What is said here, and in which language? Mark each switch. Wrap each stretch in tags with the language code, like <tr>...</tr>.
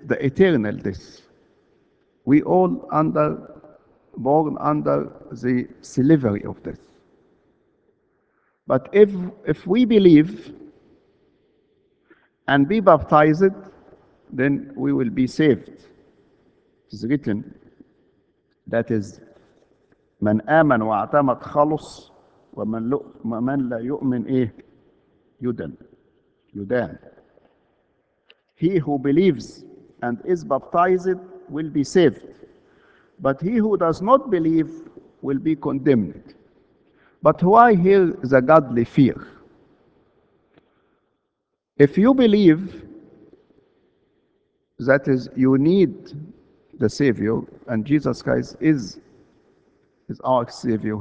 <en>The eternal death. We all born under the slavery of death. But if we believe and be baptized, then we will be saved. It is written, that is,</en> <ar>من آمن واعتمد خلص ومن لا يؤمن إيه يدان.</ar> <en>He who believes and is baptized will be saved, but he who does not believe will be condemned. But why here the godly fear? If you believe, that is, you need the Savior, and Jesus Christ is our Savior.</en>